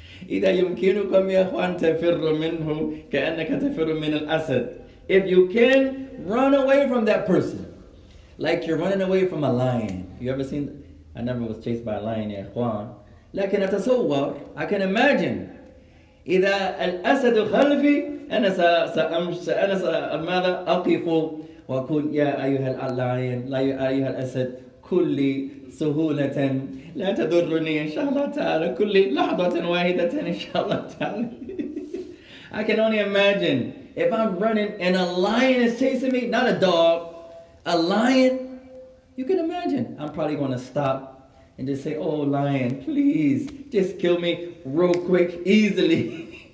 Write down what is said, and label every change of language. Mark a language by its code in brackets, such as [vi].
[ar] إذا يمكنكم يا أخوان تفر منه كأنك تفر من الأسد. [en] If you can run away from that person, like you're running away from a lion. You ever seen? I never was chased by a lion, ya akhwan. [ar] لكن أتصور. [en] I can imagine. [ar] إذا الأسد خلفي أنا سأمشي أقف وأقول يا أيها اللعين يا أيها الأسد كلي سهولة لا تضرني إن شاء الله تعالى كل لحظة واحدة إن شاء الله تعالى. [en] I can only imagine if I'm running and a lion is chasing me, not a dog, a lion. You can imagine I'm probably going to stop and just say, oh lion, please just kill me real quick, easily.